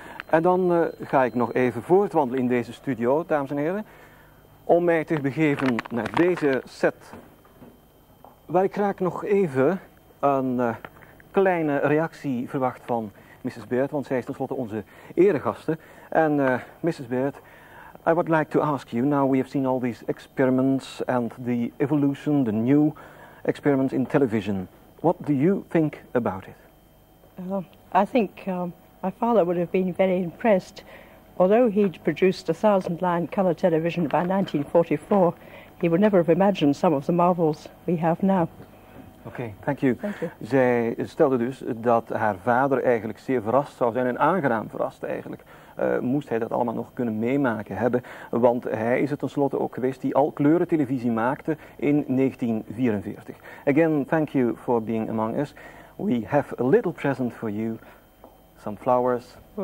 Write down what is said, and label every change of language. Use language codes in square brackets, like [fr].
[nl] En dan ga ik nog even voortwandelen in deze studio, dames en heren, om mij te begeven naar deze set, waar ik graag nog even een kleine reactie verwacht van Mrs. Baird, want zij is tenslotte onze eregasten. En Mrs. [en] Baird, I would like to ask you, now we have seen all these experiments and the evolution, the new experiments in television, what do you think about it? I think my father would have been very impressed. Although he'd produced 1,000 line colour television by 1944, he would never have imagined some of the marvels we have now. Oké, okay, thank you. [nl] Zij stelde dus dat haar vader eigenlijk zeer verrast zou zijn en aangenaam verrast eigenlijk. Moest hij dat allemaal nog kunnen meemaken hebben, want hij is het tenslotte ook geweest die al kleuren televisie maakte in 1944. [en] Again, thank you for being among us. We have a little present for you. Some flowers.